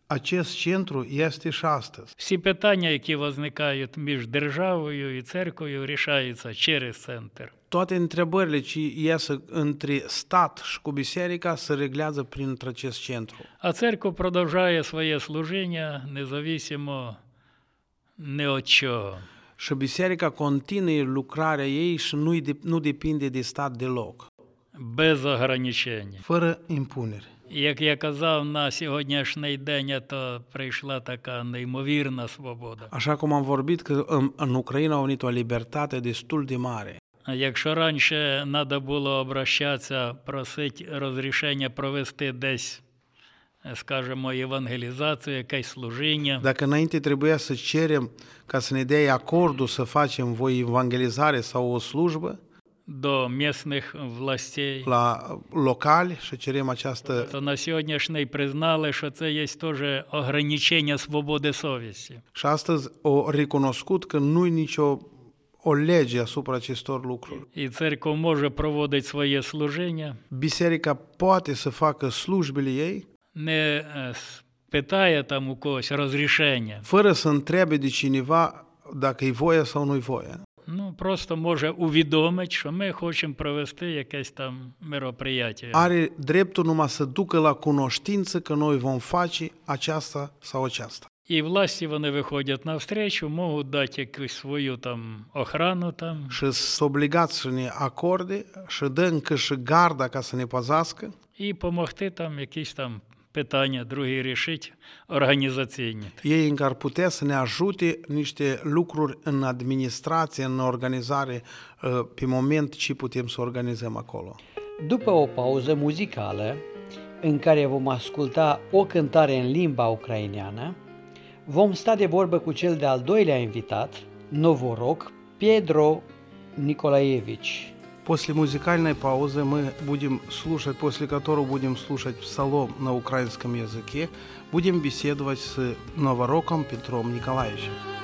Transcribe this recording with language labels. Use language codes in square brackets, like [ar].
[ro] Acest centru este și astăzi. [uk] Всі питання, які виникають між державою і церквою, рішаються через центр. [ro] Toate întrebările ce iese între stat și cu biserica se reglează printr-un acest centru. [uk] А церква продовжує своє служіння независимо ні від чого. [ro] Și biserica continuă lucrarea ei și nu depinde de stat deloc. [ru] Без ограничений. [ro] Fără impuneri. [uk] Як я казав, на сьогоднішній день то прийшла така неймовірна свобода. [ro] Așa cum am vorbit că în Ucraina a venit o libertate destul de mare. [uk] Якщо раніше надо було обращатися, просити розрішення провести десь, скажімо, евангелізацію, якесь служіння. [ro] Dacă înainte trebuia să cerem ca să ne dea acordul să facem voi evangelizare sau o slujbă, [uk] до місцевих властей. [ro] La locali și cerem această. [uk] То на сьогоднішній признали, що це є теж ограничення свободи совісті. [ro] Și astăzi o recunoscut că nu-i nicio o lege asupra acestor lucruri. [ru] И церковь может проводить своє служення. [ro] Biserica poate să facă slujbile ei. [uk] Не питає там у когось разрешения. [ro] Fără să întrebe de cineva dacă e voia sau nu e voia. [uk] Ну, просто може увідомити, що ми хочемо провести якесь там мероприятие. [ro] Are dreptul numai să ducă la cunoștință că noi vom face aceasta sau aceasta. [uk] І власті вони виходять навстречу, можуть дати якусь свою там охрану там. Și с облигационные акорды, și дан кыши гарда, ка са не позаска. І помогти там якісь там питання другі рішити організаційні. [ro] Ei ar putea să ne ajute niște lucruri în administrație, în organizare, pe moment ce putem să organizăm acolo. După o pauză muzicală, în care vom asculta o cântare în limba ucraineană, vom sta de vorbă cu cel de-al doilea invitat, novoroc, Pedro Nicolaevici. [ru] После музыкальной паузы мы будем слушать, после которого будем слушать псалом на украинском языке, будем беседовать с новороком Петром Николаевичем.